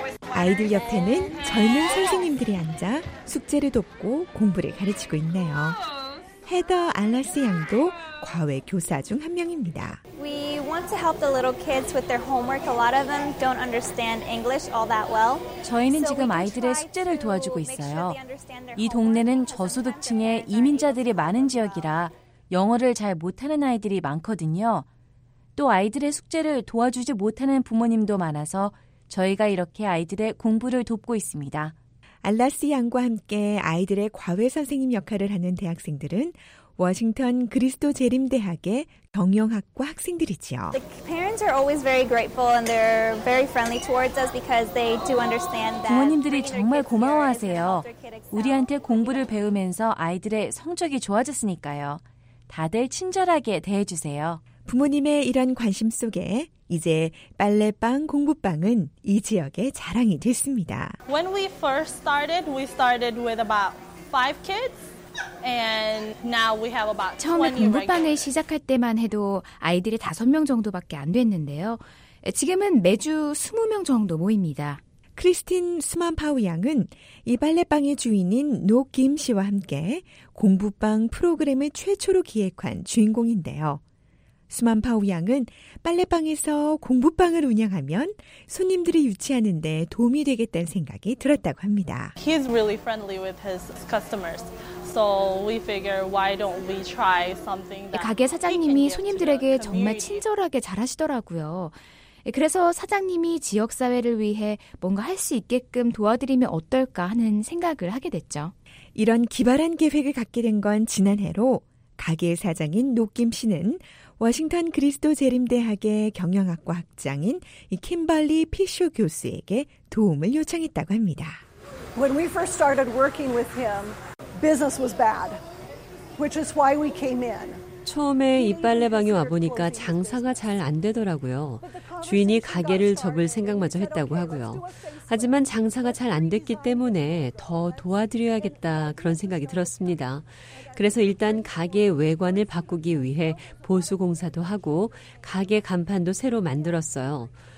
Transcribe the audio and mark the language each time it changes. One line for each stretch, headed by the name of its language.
Korean: 아이들 옆에는 젊은 선생님들이 앉아 숙제를 돕고 공부를 가르치고 있네요. 헤더 알라스 양도 과외 교사 중 한 명입니다.
English: We want to help the little kids with their homework. A lot of them don't understand English all that well.
Korean: 저희는 지금 아이들의 숙제를 도와주고 있어요. 이 동네는 저소득층의 이민자들이 많은 지역이라 영어를 잘 못하는 아이들이 많거든요. 또 아이들의 숙제를 도와주지 못하는 부모님도 많아서 저희가 이렇게 아이들의 공부를 돕고 있습니다. 알라스 양과 함께 아이들의 과외 선생님 역할을 하는 대학생들은 워싱턴 그리스도 재림 대학의 경영학과 학생들이지요.
English: The parents are always very grateful and they're very friendly towards us because they do understand that.
Korean: 부모님들이 정말 고마워하세요. 우리한테 공부를 배우면서 아이들의 성적이 좋아졌으니까요. 다들 친절하게 대해주세요. 부모님의 이런 관심 속에 이제 빨래방, 공부방은 이 지역의 자랑이 됐습니다.
English: When we first started, we started with about five kids, and now we have about 20
Korean: 처음에 공부방을 시작할 때만 해도 아이들이 5명 정도밖에 안 됐는데요. 지금은 매주 20명 정도 모입니다. 크리스틴 수만파우 양은 이 빨래방의 주인인 노 김 씨와 함께 공부방 프로그램을 최초로 기획한 주인공인데요. 수만파우 양은 빨래방에서 공부방을 운영하면 손님들이 유치하는 데 도움이 되겠다는 생각이 들었다고 합니다.
English: He's really friendly with his customers. So we figure why don't we try something that
Korean: 가게 사장님이 손님들에게 정말 친절하게 잘하시더라고요. 그래서 사장님이 지역사회를 위해 뭔가 할 수 있게끔 도와드리면 어떨까 하는 생각을 하게 됐죠. 이런 기발한 계획을 갖게 된 건 지난해로 가게 사장인 노김 씨는 워싱턴 그리스도 재림대학의 경영학과 학장인 킴벌리 피쇼 교수에게 도움을 요청했다고 합니다.
English: When we first started working with him, business was bad, which is why we came in.
Korean: 처음에 이 빨래방에 와보니까 장사가 잘 안 되더라고요. 주인이 가게를 접을 생각마저 했다고 하고요. 하지만 장사가 잘 안 됐기 때문에 더 도와드려야겠다 그런 생각이 들었습니다. 그래서 일단 가게 외관을 바꾸기 위해 보수 공사도 하고 가게 간판도 새로 만들었어요.